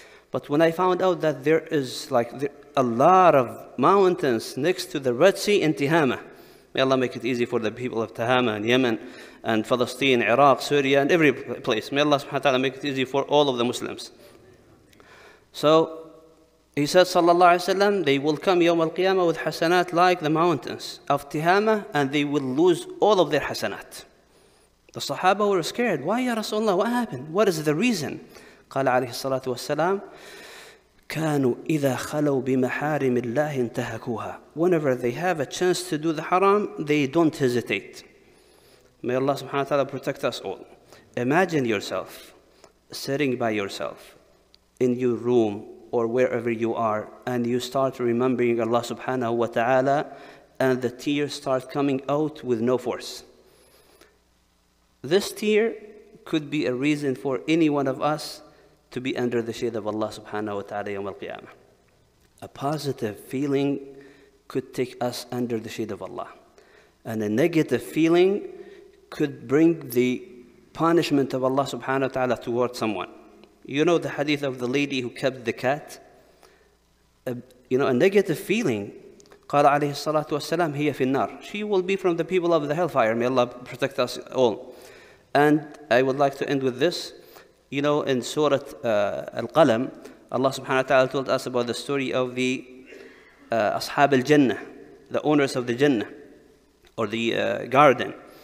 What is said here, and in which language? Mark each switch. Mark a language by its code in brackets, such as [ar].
[en] But when I found out that there is like a lot of mountains next to the Red Sea in Tihama, may Allah make it easy for the people of Tihama and Yemen and Palestine, Iraq, Syria, and every place. May Allah subhanahu wa ta'ala make it easy for all of the Muslims. So he said, sallallahu alayhi wa sallam, they will come yawm al-qiyamah with hasanat like the mountains of Tihama, and they will lose all of their hasanat. The Sahaba were scared. Why, ya Rasulullah? What happened? What is the reason? [ar] قال عليه الصلاة والسلام, كانوا إذا خلوا بمحارم الله انتهكوها. [en] Whenever they have a chance to do the haram, they don't hesitate. May Allah subhanahu wa ta'ala protect us all. Imagine yourself sitting by yourself in your room or wherever you are, and you start remembering Allah subhanahu wa ta'ala, and the tears start coming out with no force. This tear could be a reason for any one of us to be under the shade of Allah subhanahu wa ta'ala yawm al-qiyamah. A positive feeling could take us under the shade of Allah. And a negative feeling could bring the punishment of Allah subhanahu wa ta'ala towards someone. You know the hadith of the lady who kept the cat? You know, a negative feeling. [ar] قال عليه الصلاة والسلام هي في النار. [en] She will be from the people of the hellfire. May Allah protect us all. And I would like to end with this. You know, in Surah Al-Qalam, Allah subhanahu wa ta'ala told us about the story of the Ashab al-Jannah, the owners of the Jannah, or the garden.